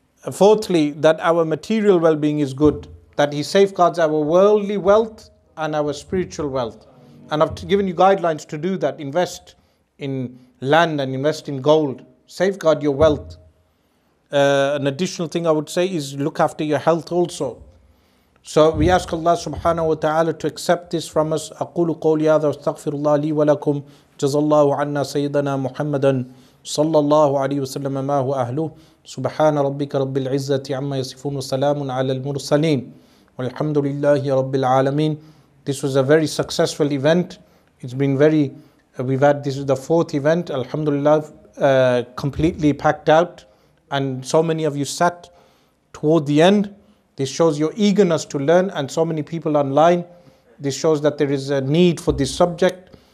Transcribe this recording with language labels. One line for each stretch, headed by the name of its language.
English: Fourthly, that our material well-being is good, that He safeguards our worldly wealth and our spiritual wealth. And I've given you guidelines to do that. Invest in land and invest in gold. Safeguard your wealth. An additional thing I would say is look after your health also. So we ask Allah subhanahu wa ta'ala to accept this from us.
Arabic: أَقُولُ قَوْلِ هَذَا وَاسْتَغْفِرُ اللَّهَ لِي وَلَكُمْ جَزَ اللَّهُ عَنَّا سَيِّدَنَا مُحَمَّدًا صلى الله عليه وسلم ما هو أهله سبحان ربك رب العزة عما يصفون وسلام على المرسلين والحمد لله رب العالمين.
English: This was a very successful event. It's been very, we've had, this is the fourth event, Alhamdulillah, completely packed out, and so many of you sat toward the end. This shows your eagerness to learn, and so many people online. This shows that there is a need for this subject.